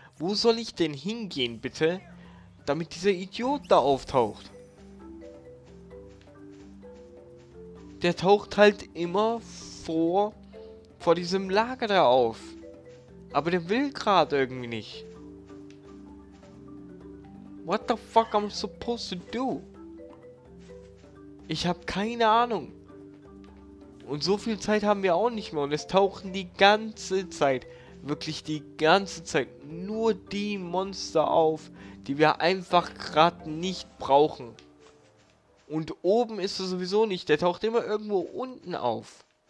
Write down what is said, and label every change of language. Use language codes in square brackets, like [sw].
[de] Wo soll ich denn hingehen, bitte? Damit dieser Idiot da auftaucht. Der taucht halt immer vor diesem Lager da auf. Aber der will gerade irgendwie nicht. [en] What the fuck am I supposed to do? [de] Ich habe keine Ahnung. Und so viel Zeit haben wir auch nicht mehr. Und es tauchen die ganze Zeit, wirklich die ganze Zeit, nur die Monster auf, die wir einfach gerade nicht brauchen. Und oben ist er sowieso nicht. Der taucht immer irgendwo unten auf.